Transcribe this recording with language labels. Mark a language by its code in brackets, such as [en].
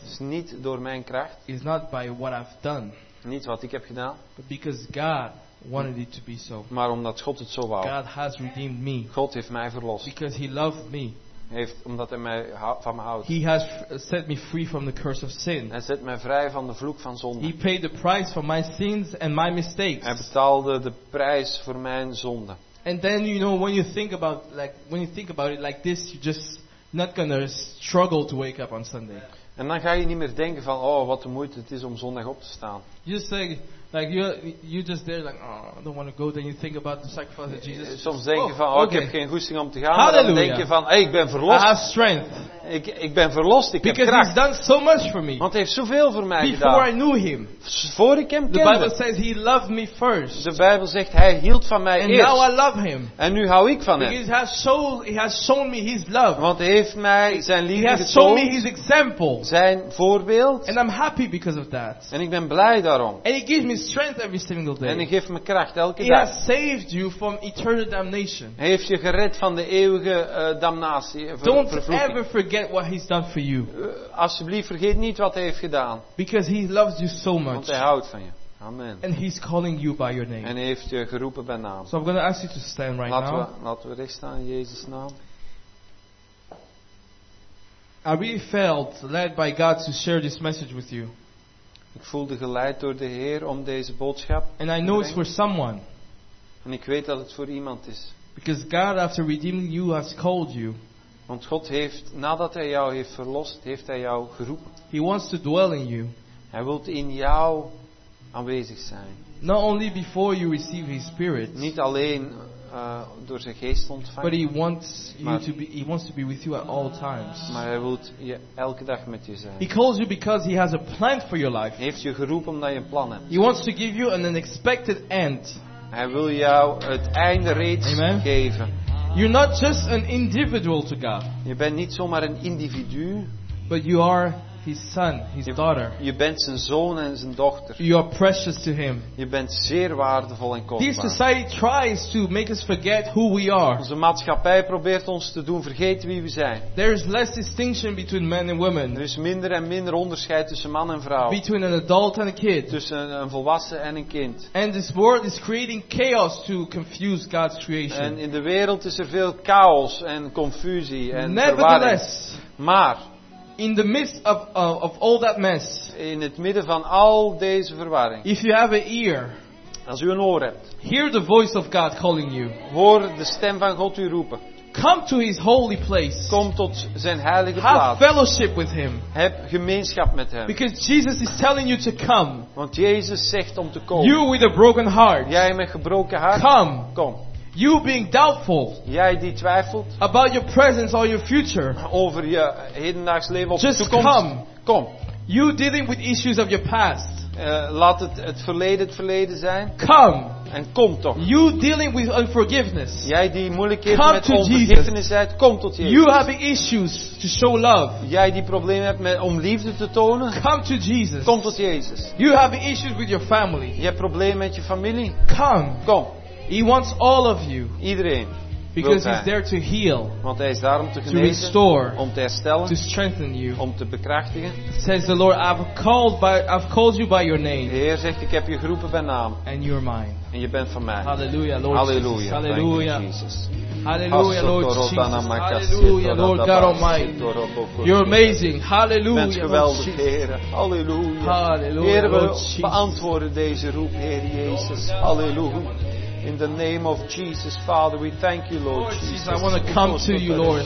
[nl] Het is niet door mijn kracht. [en] It's not by what I've done. [nl] Niet wat ik heb gedaan. [en] But because God. Wanted it to be so. [nl] Maar omdat God het zo wou. [en] God has redeemed me. [nl] God heeft mij verlost. [en] Because he loved me. [nl] Heeft omdat hij mij van me houdt. [en] He has set me free from the curse of sin. [nl] Hij zet mij vrij van de vloek van zonde. [en] He paid the price for my sins and my mistakes. [nl] Hij betaalde de prijs voor mijn zonde. [en] And then you know when you think about like when you think about it like this, you're just not gonna struggle to wake up on Sunday. [nl] En dan ga je niet meer denken van oh wat de moeite het is om zondag op te staan. [en] You say. Like you're just there like oh I don't want to go then you think about the sacrifice of Jesus. [nl] Soms denk je van oh, [en] okay. [nl] Ik heb geen goesting om te gaan. Dan denk je van hey, ik ben verlost. [en] I have strength. [nl] Ik ben verlost. Ik [en] Because [nl] heb kracht. [en] He's done so much for me. [nl] Want hij heeft zoveel voor mij [en] Before [nl] gedaan. [en] Before I knew him. [nl] Voor ik hem [en] the [nl] kende. [en] The Bible says he loved me first. [nl] De Bijbel zegt hij hield van mij [en] And [nl] eerst. [en] And now I love him. [nl] En nu hou ik van [en] Because [nl] hem. [en] He has shown me his love. [nl] Want hij heeft mij zijn liefde getoond. [en] He has shown me his example. [nl] Zijn voorbeeld. [en] And I'm happy because of that. [nl] En ik ben blij daarom. [en] And he gives me strength every single day. [nl] En hij geeft me kracht elke [en] he [nl] dag. [en] He has saved you from eternal damnation. [nl] Hij heeft je gered van de eeuwige damnatie. [en] Don't ever forget what he's done for you. [nl] Alsjeblieft vergeet niet wat hij heeft gedaan. [en] Because he loves you so much. [nl] Want hij houdt van je. Amen. [en] And he's calling you by your name. [nl] En hij heeft je geroepen bij naam. [en] So I'm going to ask you to stand right [nl] laten [en] now. [nl] Laten we recht staan in Jezus naam. [en] I really felt led by God to share this message with you. [nl] Ik voelde geleid door de Heer om deze boodschap. [en] And I know it's for someone. [nl] En ik weet dat het voor iemand is. [en] Because God after redeeming you has called you. [nl] Want God heeft nadat hij jou heeft verlost, heeft hij jou geroepen. [en] He wants to dwell in you. [nl] Hij wilt in jou aanwezig zijn. [en] Not only before you receive his spirit. [nl] Niet alleen door zijn geest ontvangen. [en] But he wants to be with you at all times. [nl] Maar hij wilt je elke dag met je zijn. [en] He calls you because he has a plan for your life. [nl] Hij heeft je geroepen omdat je een plan hebt. [en] He wants to give you an unexpected end. [nl] Hij wil jou het einde reeds [en] Amen. [nl] Geven. [en] You're not just an individual to God. [nl] Je bent niet zomaar een individu. [en] But you are his son, his daughter. [nl] Je bent zijn zoon en zijn dochter. [en] You are precious to him. [nl] Je bent zeer waardevol en kostbaar. [en] This society tries to make us forget who we are. [nl] Onze maatschappij probeert ons te doen vergeten wie we zijn. [en] There is less distinction between men and women. [nl] Er is minder en minder onderscheid tussen man en vrouw. [en] Between an adult and a kid. [nl] Tussen een volwassen en een kind. [en] And this world is creating chaos to confuse God's creation. [nl] En in de wereld is er veel chaos en confusie en [en] nevertheless, [nl] verwarring. Maar [en] in the midst of all that mess, [nl] in het midden van al deze verwarring, [en] if you have an ear, [nl] als u een oor hebt, [en] hear the voice of God calling you, [nl] hoor de stem van God u roepen. [en] Come to his holy place. [nl] Kom tot zijn heilige [en] have [nl] plaats. [en] Have fellowship with him. [nl] Heb gemeenschap met hem. [en] Because Jesus is telling you to come. [nl] Want Jezus zegt om te komen. [en] You with a broken heart. [nl] Jij met gebroken hart. [en] Come. [nl] Kom. [en] You being doubtful. [nl] Jij die twijfelt. [en] About your presence or your future. [nl] Over je hedendaags leven of [en] just [nl] de toekomst. [en] Just come. [nl] Kom. [en] You dealing with issues of your past. [nl] Laat het verleden zijn. [en] Come. [nl] En kom toch. [en] You dealing with unforgiveness. [nl] Jij die moeilijkheden [en] come [nl] met onvergiffenis hebt, kom tot Jezus. [en] You have issues to show love. [nl] Jij die problemen hebt met om liefde te tonen. [en] Come to Jesus. [nl] Kom tot Jezus. [en] You have issues with your family. [nl] Je hebt problemen met je familie. [en] Come. [nl] Kom. [en] He wants all of you. [nl] Iedereen. [en] Because he's there to heal. [nl] Want hij is daar om te genezen. [en] To restore. [nl] Om te herstellen. [en] To strengthen you. [nl] Om te bekrachtigen. [en] Says the Lord, I've called you by your name. [nl] De Heer zegt, ik heb je geroepen bij naam. [en] And you're mine. [nl] En je bent van mij. [en] Hallelujah, Lord Hallelujah. Jesus. Hallelujah. Thank you, Jesus. Hallelujah, Lord Jesus. Hallelujah, Lord God Almighty. You're amazing. Hallelujah, Lord Jesus. Hallelujah. Hallelujah, Lord Jesus. [nl] Heer, we beantwoorden deze roep, Heer Jezus. [en] Hallelujah. In the name of Jesus, Father, we thank you, Lord Jesus. I want to come to you, Lord.